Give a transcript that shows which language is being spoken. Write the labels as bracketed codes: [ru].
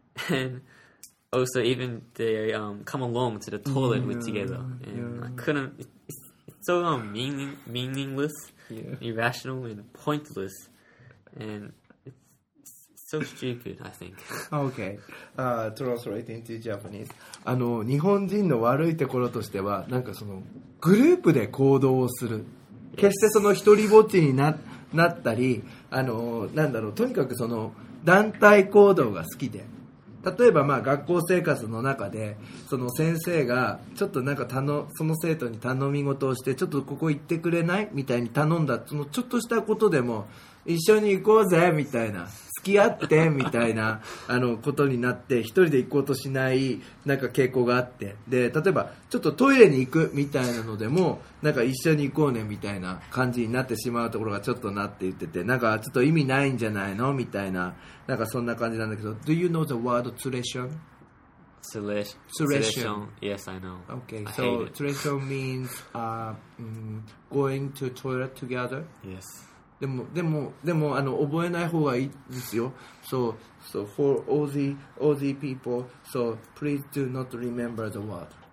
[en] And also, even they、come along to the toilet、mm-hmm. with together, and、yeah. I couldn't. So meaningless,、 yeah. irrational, and pointless, and it's so stupid, I think. Okay, translate into Japanese. [ja] 日本人の悪いところとしては、なんかそのグループで行動をする。 [en] Yes. [ja] 決してその一人ぼっちに なったり、なんだろう、とにかくその団体行動が好きで。例えばまあ学校生活の中でその先生がちょっとなんかその生徒に頼み事をしてちょっとここ行ってくれないみたいに頼んだそのちょっとしたことでも一緒に行こうぜみたいな付き合ってみたいなあのことになって一人で行こうとしないなんか傾向があってで例えばちょっとトイレに行くみたいなのでもなんか一緒に行こうねみたいな感じになってしまうところがちょっとなって言っててなんかちょっと意味ないんじゃないのみたいななんかそんな感じなんだけど [en] Do you know the word tsureshon? Tsureshon, yes I know. Okay, so tsureshon means going to toilet together. Yes [ja] でも、あの、覚えない方がいいですよ。 [en] So for all the people, so please do not remember the word.